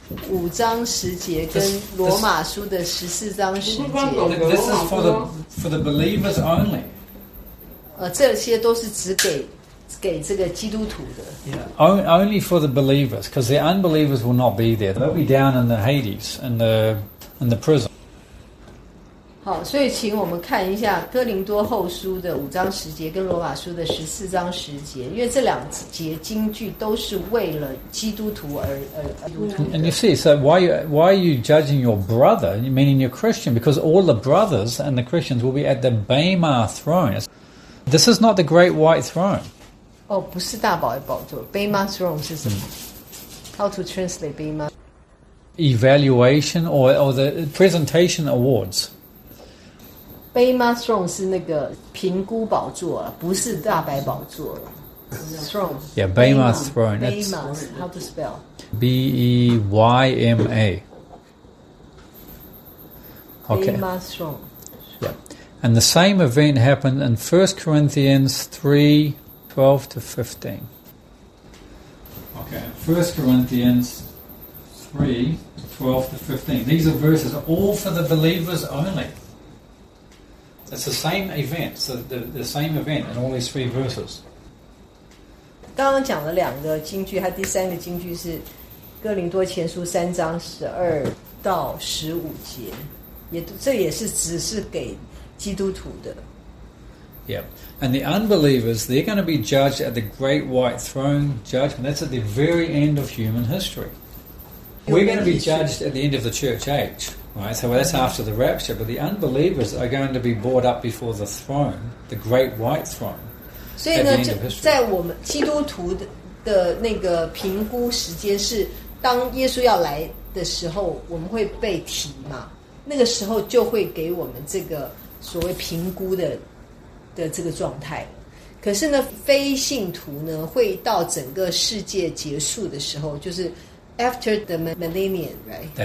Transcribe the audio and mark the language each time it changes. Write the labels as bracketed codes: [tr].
[zh] 五章十节跟罗马书的十四章十节。 [en] This is for the believers only. [zh] 这些都是只给这个基督徒的。 [en] Yeah, only for the believers, because the unbelievers will not be there. They'll be down in the Hades, in the prison. [zh] 好，所以请我们看一下哥林多后书的五章十节跟罗马书的十四章十节，因为这两节经句都是为了基督徒而而。 [en] And you see, so why are you judging your brother, meaning your Christian? Because all the brothers and the Christians will be at the Bema throne. This is not the great white throne. [zh] 哦，不是大宝的宝座 ，Bema throne 是什么 ？ [en] How to translate Bema? Evaluation or the presentation awards. [zh] Bema Throne 是那个评估宝座，不是大白宝座。Throne. [en] Yeah, Bema Throne. Bema, how to spell? B-E-Y-M-A. Okay. Bema Throne. Yeah. And the same event happened in 1 Corinthians 3:12-15. Okay, 1 Corinthians 3:12-15. These are verses all for the believers only. It's the same event, the same event in all these three verses. [zh] 刚刚讲了两个经句，它第三个经句是哥林多前书三章十二到十五节，也这也是只是给基督徒的。 [en] Yeah, and the unbelievers, they're going to be judged at the great white throne judgment. That's at the very end of human history. We're going to be judged at the end of the church age. Right, so that's after the rapture, but the unbelievers are going to be brought up before the throne, the great white throne. [zh] 所以呢，就在我们基督徒的那个评估时间是当耶稣要来的时候，我们会被提嘛？那个时候就会给我们这个所谓评估的这个状态。可是呢，非信徒呢，会到整个世界结束的时候，就是 [en] after the millennium, right?